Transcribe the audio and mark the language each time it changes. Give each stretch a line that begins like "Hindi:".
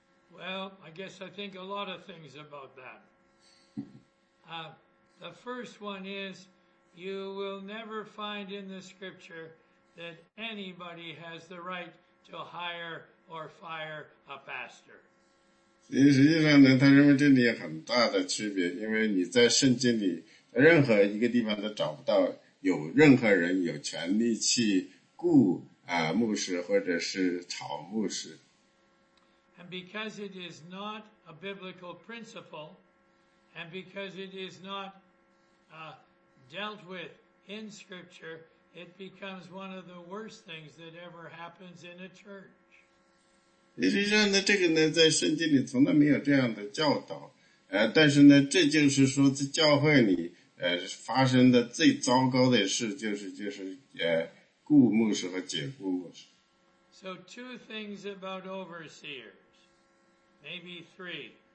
English: Well, I guess I think a lot of things about that. The first one is you will never find in the scripture that anybody has the right to hire or fire a pastor.
Chinese: 实际上呢，他认为这里有很大的区别，因为你在圣经里任何一个地方都找不到有任何人有权利去雇牧师或者是炒牧师。
English: And because it is not a biblical principle, and because it is not dealt with in scripture, it becomes one of the worst things that ever happens in a church.
Chinese: 实际上呢，这个呢，在圣经里从来没有这样的教导，但是呢，这就是说在教会里，发生的最糟糕的事，就是雇牧师和解雇牧师。
English: So two things about overseers. Maybe three.